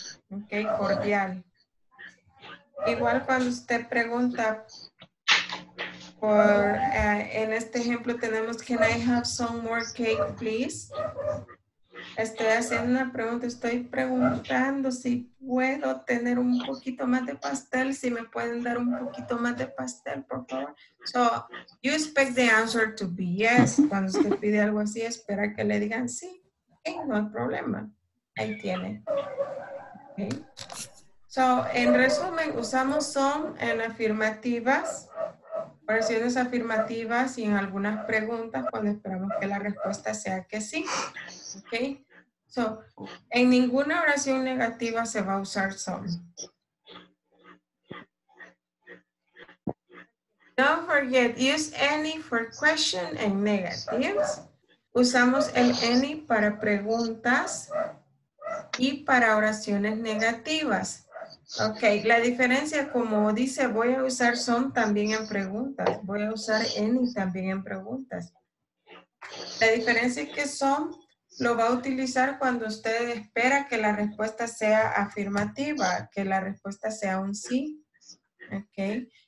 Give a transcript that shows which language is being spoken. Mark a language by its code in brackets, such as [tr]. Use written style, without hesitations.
[es] Okay, cordial. Igual cuando usted pregunta por, en este ejemplo tenemos, [en] can I have some more cake, please? [es] Estoy haciendo una pregunta, estoy preguntando si puedo tener un poquito más de pastel, si me pueden dar un poquito más de pastel, por favor. [en] So, you expect the answer to be yes. [es] Cuando usted pide algo así, espera que le digan sí. Okay, no hay problema. Ahí tiene. Okay. So, en resumen, usamos son en afirmativas, oraciones afirmativas y en algunas preguntas cuando esperamos que la respuesta sea que sí. Okay. So, en ninguna oración negativa se va a usar son. [en] Don't forget, use any for question and negatives. [es] Usamos el any para preguntas y para oraciones negativas. Okay, la diferencia, como dice, voy a usar some también en preguntas. Voy a usar any también en preguntas. La diferencia es que some lo va a utilizar cuando usted espera que la respuesta sea afirmativa, que la respuesta sea un sí. Okay.